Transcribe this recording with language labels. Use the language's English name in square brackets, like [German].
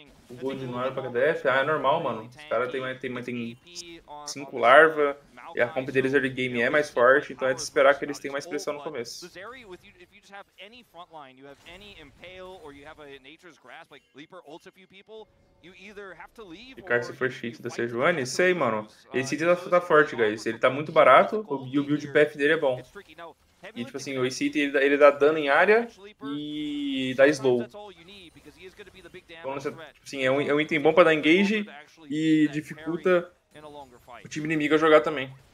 [Portuguese] O Gold não era pra KDF? Ah, é normal, mano. Os caras tem 5 larvas e a comp deles early game é mais forte, então é de esperar que eles tenham mais pressão no começo. [English] Frontline, you have any impale or you have a nature's grasp like leaper ults a few people, you either have to leave. [Portuguese] Ricardo, se for cheat da Sejuani, sei, mano. Esse item tá forte, guys. Ele tá muito barato e o build path dele é bom. E tipo assim, esse item ele dá dano em área e dá slow. Então, assim, é um item bom pra dar engage e dificulta o time inimigo a jogar também.